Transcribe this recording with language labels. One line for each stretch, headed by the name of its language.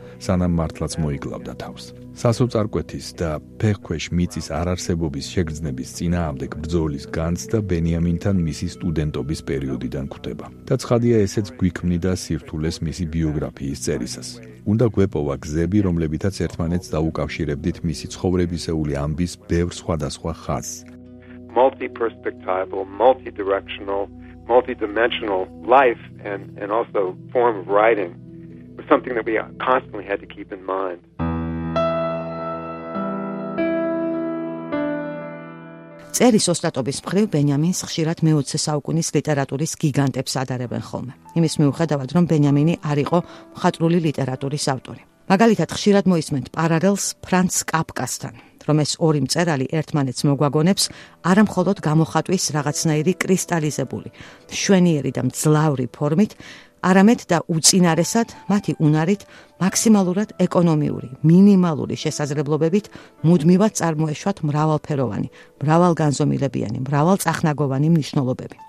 Georgian: სანამ მართლაც მოიგლავდა თავს. სასოწარკვეთის და ფეხქვეშ მიწის არარსებობის შეგრძნების წინააღმდეგ ბრძოლის განცდა ბენიამინთან მისი სტუდენტობის პერიოდიდან ხვდება. და ცხადია ესეც გვიქმნიდა სირთულეს მისი ბიოგრაფიის წერისას. უნდა გვეპოვა გზები, რომლებითაც ერთმანეთს დაუკავშირებდით მისი ცხოვრებისეული ამბის ბევრ სხვადასხვა ხაზს.
English: Multi-perspectival, multi-directional, multi-dimensional life and also form of writing was something that we constantly had to keep in mind.
Georgian: წერის ოსტატობის მხრივ ბენიამინს ხშირად მე-20 საუკუნის ლიტერატურის გიგანტებს ადარებენ ხოლმე. იმის მიუხედავად, რომ ბენიამინი არ იყო მხატვრული ლიტერატურის ავტორი. მაგალითად, ხშირად მოისმენთ პარალელს ფრანც კაფკასთან, რომ ეს ორი მწერალი ერთმანეთს მოგვაგონებს არამხოლოდ გამოხატვის რაღაცნაირი კრისტალიზებული, შვენიერი და მძლავრი ფორმით, არამედ და უწინარესად მათი უნარით მაქსიმალურად ეკონომიური, მინიმალური შესაძლებლობებით მუდმივად წარმოეშვათ მრავალფეროვანი, მრავალგანზომილებიანი, მრავალწახნაგოვანი მნიშვნელობები.